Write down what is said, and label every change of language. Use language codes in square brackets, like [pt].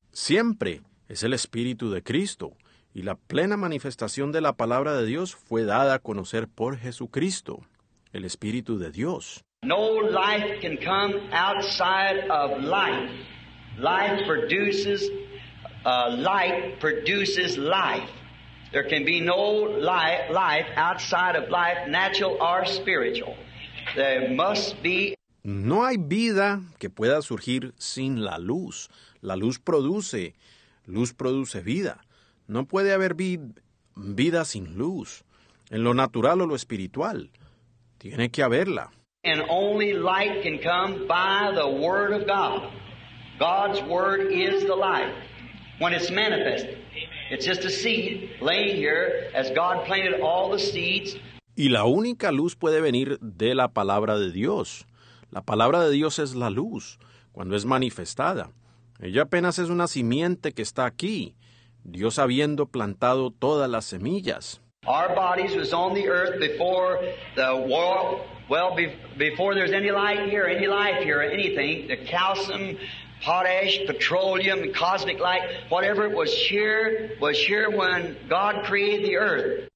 [es] Siempre es el Espíritu de Cristo. Y la plena manifestación de la palabra de Dios fue dada a conocer por Jesucristo, el Espíritu de Dios. [en] No life can come outside of light. Life produces, light produces life. There can be no life outside of life, natural or spiritual. There must be. [es] No hay vida que pueda surgir sin la luz. Luz produce vida. No puede haber vida sin luz, en lo natural o lo espiritual. Tiene que haberla. [en] And only light can come by the Word of God. God's Word is the light. When it's manifested, it's just a seed laying here as God planted all the seeds. [es] Y la única luz puede venir de la palabra de Dios. La palabra de Dios es la luz, cuando es manifestada. Ella apenas es una simiente que está aquí. Dios habiendo plantado todas las semillas. [en] Our bodies was on the earth before the world, well, before there's any light here, any life here, anything, the calcium, potash, petroleum, cosmic light, whatever was here when God created the earth.